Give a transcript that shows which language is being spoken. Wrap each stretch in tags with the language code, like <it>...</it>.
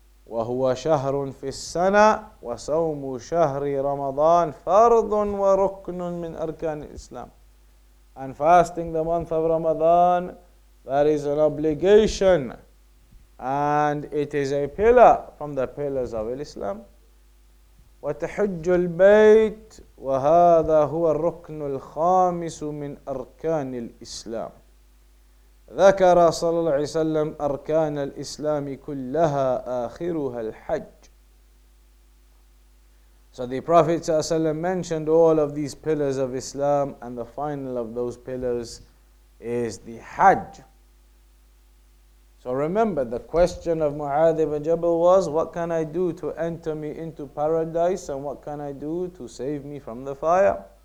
<ar>وَهُوَ شَهْرٌ فِي السَّنَةِ وَسَوْمُ شَهْرِ رَمَضَانَ فَرْضٌ وَرُكْنٌ مِنْ أَرْكَانِ الْإِسْلَامِ.</ar> <en>And fasting the month of Ramadan, that is an obligation. And it is a pillar from the pillars of Islam.</en> <ar>وتحج البيت وهذا هو الركن الخامس من أركان الإسلام. ذكر صلى الله عليه وسلم أركان الإسلام كلها آخرها الحج.</ar> <en>So the Prophet ﷺ mentioned all of these pillars of Islam, and the final of those pillars is the Hajj. So remember, the question of Mu'adh ibn Jabal was, what can I do to enter me into paradise and what can I do to save me from the fire?</en>